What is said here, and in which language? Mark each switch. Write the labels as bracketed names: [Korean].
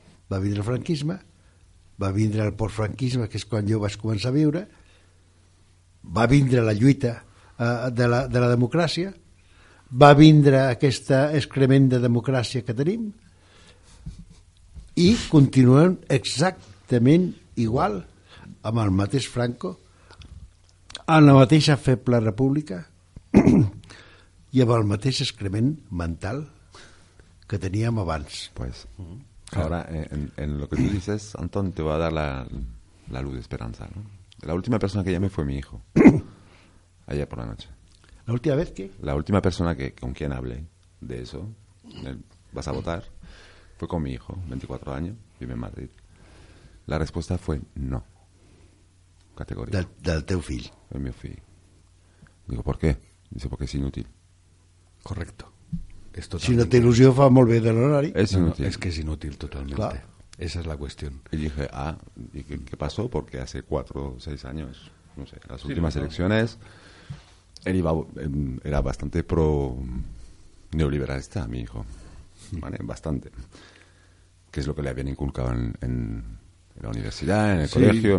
[Catalan] Va vindre el franquisme, va vindre el postfranquisme, que és quan jo vaig començar a viure, va vindre la lluita de la democràcia, va vindre aquesta excrement de democràcia que tenim, i continuem exactament igual amb el mateix Franco, amb la mateixa feble república i amb el mateix excrement mental que teníem abans. [Spanish] Pues, ahora, en lo que tú dices, Antón, te voy a dar la luz de esperanza, ¿no? La última persona que llamé fue mi hijo, ayer por la noche. ¿La última vez qué? La última persona que con quien hablé de eso, vas a votar, fue con mi hijo, 24 años, vive en Madrid. La respuesta fue no. Categoría. [Catalan] Del teu fill. El meu fill. [Spanish] Digo, ¿por qué? Dice, porque es inútil. Correcto. [Catalan] Es si no te ilusió, fa molt bé de l'horari. [Spanish] Es inútil. No, es que es inútil totalmente. Claro. Esa es la cuestión. Y dije, ¿y qué pasó? Porque hace 4 o 6 años, no sé, las últimas elecciones, él iba, era bastante pro neoliberalista, mi hijo. ¿Vale? Bastante. Que es lo que le habían inculcado en la universidad, en el colegio.